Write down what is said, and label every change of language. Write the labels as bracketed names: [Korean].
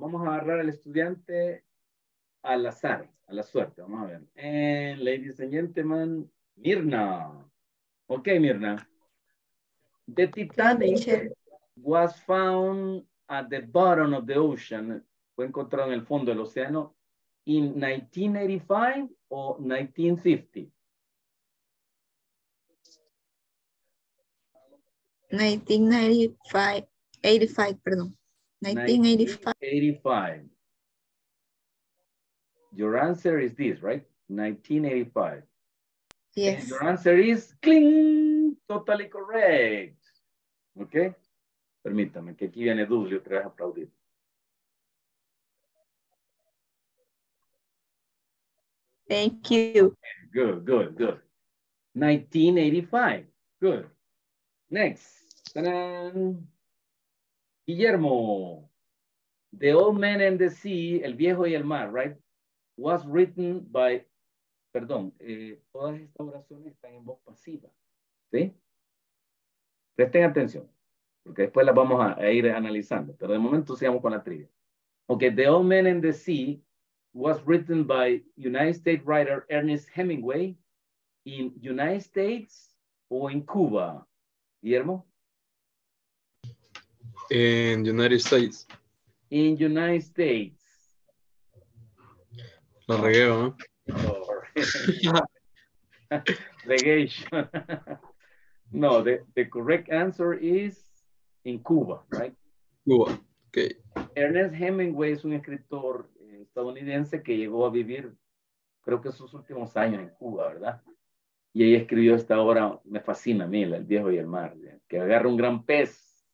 [Spanish] Vamos a agarrar al estudiante al azar, a la suerte. Vamos a ver. [English] And ladies and gentlemen, Mirna. Ok, Mirna. The Titanic was found at the bottom of the ocean. [Spanish] Fue encontrado en el fondo del océano in 1985 o 1950? 1995. 85, perdón. 1985. [English] Your answer is this, right? 1985. Yes. And your answer is cling, totally correct. Ok. [Spanish] Permítame que aquí viene Dulio, te vas a aplaudir. [English] Thank you. Good, good, good. 1985. Good. Next. Ta-dan. Guillermo. The Old Man and the Sea, El Viejo y el Mar, right? Was written by, [Spanish] perdón, todas estas oraciones están en voz pasiva. ¿Sí? Presten atención, porque después las vamos a ir analizando. Pero de momento sigamos con la trivia. [English] Ok, The Old Man and the Sea was written by United States writer Ernest Hemingway in United States or in Cuba? Guillermo? In United States. In United States. [Spanish] La regué, ¿no? Regation. [English] No, the correct answer is in Cuba, right? Cuba, okay. [Spanish] Ernest Hemingway es un escritor estadounidense que llegó a vivir, creo que sus últimos años en Cuba, ¿verdad? Y ahí escribió esta obra, me fascina a mí, El Viejo y el Mar, ¿sí? Que agarra un gran pez.